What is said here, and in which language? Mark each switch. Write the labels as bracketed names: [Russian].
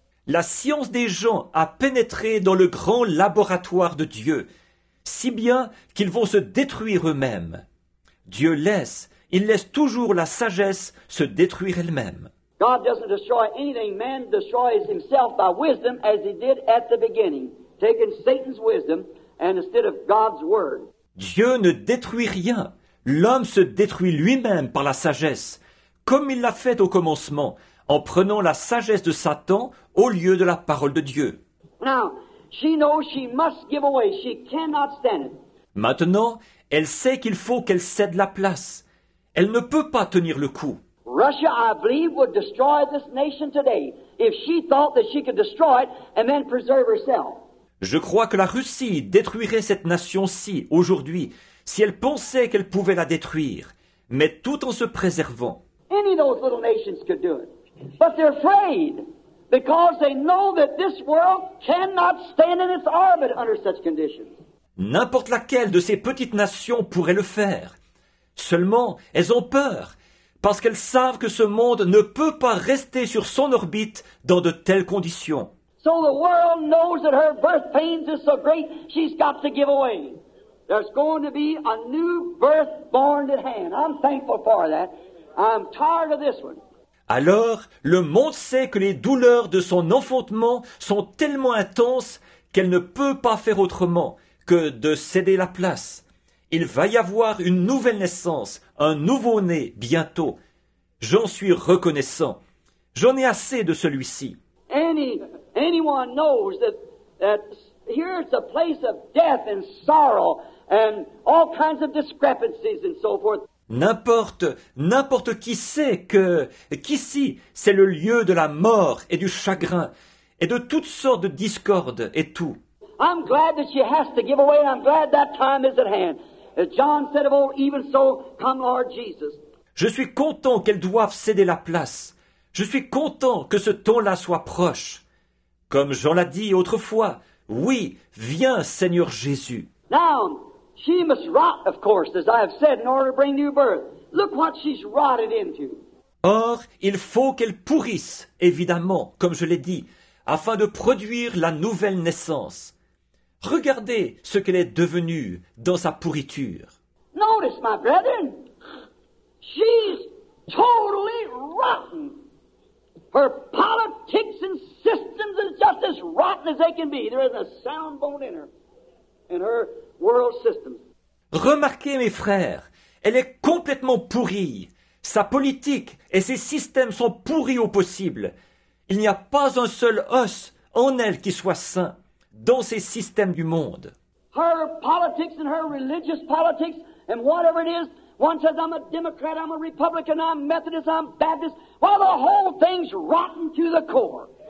[French] La science des gens a pénétré dans le grand laboratoire de Dieu, si bien qu'ils vont se détruire eux-mêmes. Dieu laisse, il laisse toujours la sagesse se détruire elle-même. [English] God doesn't destroy anything. Man destroys himself by wisdom as he did at the beginning, taking Satan's wisdom and instead of God's word. [French] Dieu ne détruit rien. L'homme se détruit lui-même par la sagesse, comme il l'a fait au commencement, en prenant la sagesse de Satan au lieu de la parole de Dieu. [English] Now, she knows she must give away. She cannot stand it. [French] Maintenant, elle sait qu'il faut qu'elle cède la place. Elle ne peut pas tenir le coup. [English] Russia, I believe, would destroy this nation today if she thought that she could destroy it and then preserve herself. [French] Je crois que la Russie détruirait cette nation-ci aujourd'hui si elle pensait qu'elle pouvait la détruire, mais tout en se préservant. [English] Any of those little nations could do it, but they're afraid because they know that this world cannot stand in its orbit under such conditions. [French] N'importe laquelle de ces petites nations pourrait le faire. Seulement, elles ont peur, parce qu'elles savent que ce monde ne peut pas rester sur son orbite dans de telles conditions. [English] So the world knows that her birth pains is so great, she's got to give away. There's going to be a new birth born at hand. I'm thankful for that. I'm tired of this one. [French] Alors, le monde sait que les douleurs de son enfantement sont tellement intenses qu'elle ne peut pas faire autrement que de céder la place. Il va y avoir une nouvelle naissance, un nouveau-né bientôt. J'en suis reconnaissant. J'en ai assez de celui-ci. [English] Anyone knows that here it's a place of death and sorrow and all kinds of discrepancies and so forth. [French] N'importe qui sait que qu'ici c'est le lieu de la mort et du chagrin et de toutes sortes de discordes et tout. [English] I'm glad that she has to give away. I'm glad that time is at hand. As John said of old, even so, come Lord Jesus. [French] Je suis content qu'elle doive céder la place. Je suis content que ce temps-là soit proche. Comme Jean l'a dit autrefois, oui, viens Seigneur Jésus. [English] Now, she must rot, of course, as I have said, in order to bring new birth. Look what she's rotted into. [French] Or, il faut qu'elle pourrisse, évidemment, comme je l'ai dit, afin de produire la nouvelle naissance. Regardez ce qu'elle est devenue dans sa pourriture. [English] Notice, my brethren, she's totally rotten. Her politics and systems are just as rotten as they can be. There isn't a sound bone in her, in her world system. [French] Remarquez, mes frères, elle est complètement pourrie. Sa politique et ses systèmes sont pourris au possible. Il n'y a pas un seul os en elle qui soit sain dans ces systèmes du monde. [English] Her politics and her religious politics and whatever it is, one says I'm a Democrat, I'm a Republican, I'm Methodist, I'm Baptist. Well, the whole thing's rotten to the core.